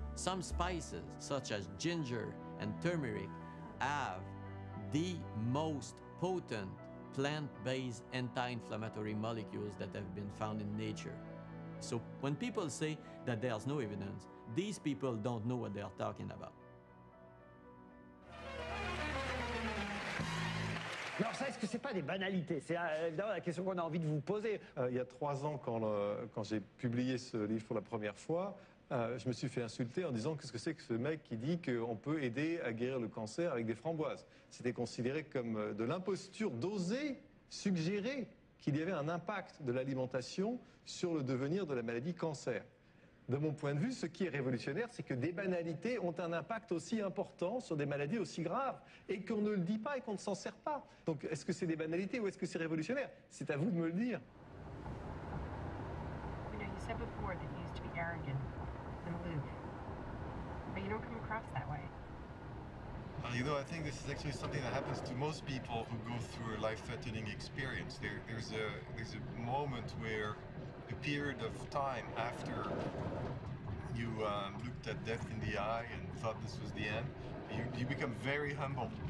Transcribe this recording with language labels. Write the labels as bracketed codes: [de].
[en] Some spices, such as ginger and turmeric, have the most potent plant-based anti-inflammatory molecules that have been found in nature. So when people say that there's no evidence, these people don't know what they're talking about. [fr] Alors ça, est-ce que c'est pas des banalités? C'est évidemment la question qu'on a envie de vous poser. Il y a trois ans, quand j'ai publié ce livre pour la première fois, je me suis fait insulter en disant qu'est-ce que c'est que ce mec qui dit qu'on peut aider à guérir le cancer avec des framboises. C'était considéré comme de l'imposture d'oser suggérer qu'il y avait un impact de l'alimentation sur le devenir de la maladie cancer. De mon point de vue, ce qui est révolutionnaire, c'est que des banalités ont un impact aussi important sur des maladies aussi graves, et qu'on ne le dit pas et qu'on ne s'en sert pas. Donc, est-ce que c'est des banalités ou est-ce que c'est révolutionnaire? C'est à vous de me le dire. [en] You know, you said before that you used to be arrogant and aloof, but you don't come across that way. You know, I think this is actually something that happens to most people who go through a life-threatening experience. There's a moment where the period of time after you looked at death in the eye and thought this was the end, you become very humble.